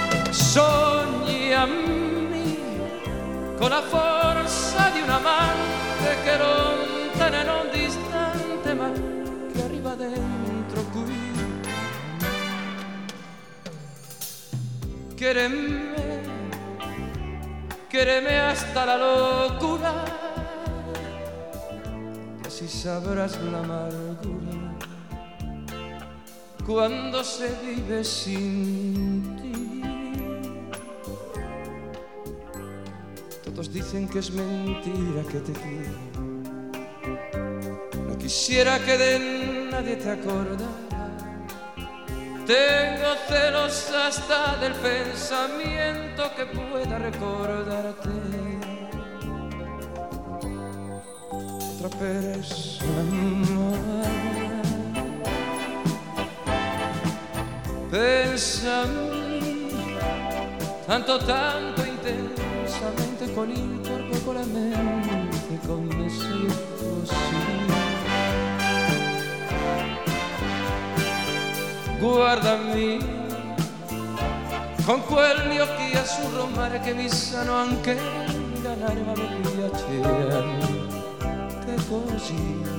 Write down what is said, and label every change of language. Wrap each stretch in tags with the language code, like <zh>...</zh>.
<it>Sognami con la forza di un amante che lontana e non distante, ma che arriva dentro qui.</it> <es>Chiedeme, quereme hasta la locura, y así sabrás la amargura cuando se vive sin ti. Todos dicen que es mentira que te quiero, no quisiera que de nadie te acordara. Tengo celos hasta del pensamiento que pueda recordarte. Otra persona más. Pénsame tanto, tanto intensamente, con el cuerpo, con la mente, con mis hijos.</es> <it>Guardami con quegli occhi azzurro mare che mi sanno anche ingannare, ma mi piace anche così.</it>